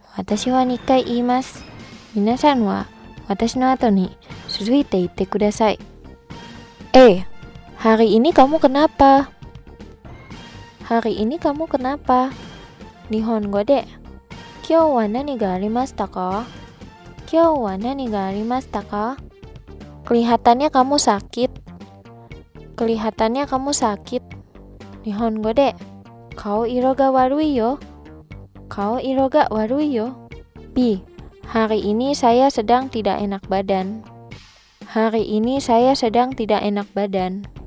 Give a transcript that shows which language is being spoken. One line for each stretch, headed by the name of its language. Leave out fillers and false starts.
Japanese: 私は2回言います。皆さんは私の後に続いて言ってください。
Indonesian: A、hari ini kamu kenapa? Hari ini kamu kenapa?
Japanese: 日本語で、今日は何がありましたか？今日は何がありましたか？
Indonesian: Kelihatannya kamu sakit. Kelihatannya kamu sakit.
Japanese: 日本語で、顔色が悪いよ。 Kau iroga warui yo. B.
Indonesian: Hari ini saya sedang tidak enak badan. Hari ini saya sedang tidak enak badan.